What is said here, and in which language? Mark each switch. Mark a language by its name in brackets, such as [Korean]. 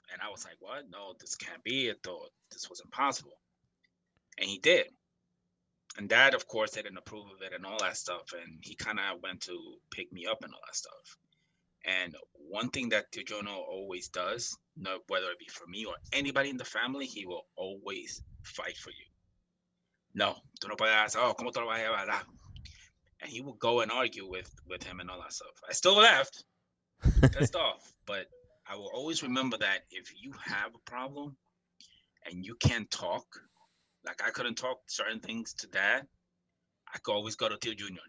[English] And I was like, what? No, this can't be. I thought this was impossible. And he did. And Dad, of course, didn't approve of it and all that stuff. And he kind of went to pick me up and all that stuff. And one thing that Teojuno always does, whether it be for me or anybody in the family, he will always fight for you. [Spanish] No, tú no puedes hacer, ¿cómo te lo vas a llevar? [English] And he would go and argue with him and all that stuff. I still left, pissed off. But I will always remember that if you have a problem and you can't talk, like I couldn't talk certain things to Dad, I could always go to Teojuno.